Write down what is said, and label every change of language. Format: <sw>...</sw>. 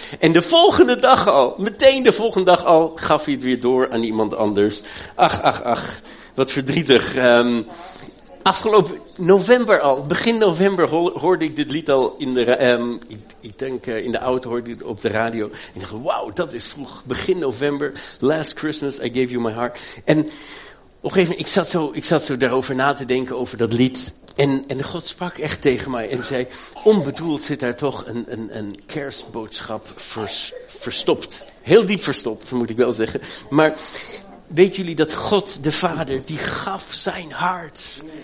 <nl>En de volgende dag al, meteen de volgende dag al, gaf hij het weer door aan iemand anders. Ach, ach, ach. Wat verdrietig. Afgelopen november al, begin november, hoorde ik dit lied al in de in de auto hoorde ik het op de radio. En ik dacht, wauw, dat is vroeg. Begin november,</nl> <en>last Christmas, I gave you my heart.</en> <nl>En op een gegeven moment, ik zat zo daarover na te denken over dat lied. En God sprak echt tegen mij en zei, onbedoeld zit daar toch een kerstboodschap verstopt. Heel diep verstopt, moet ik wel zeggen. Maar weet jullie dat God de Vader, die gaf zijn hart.</nl>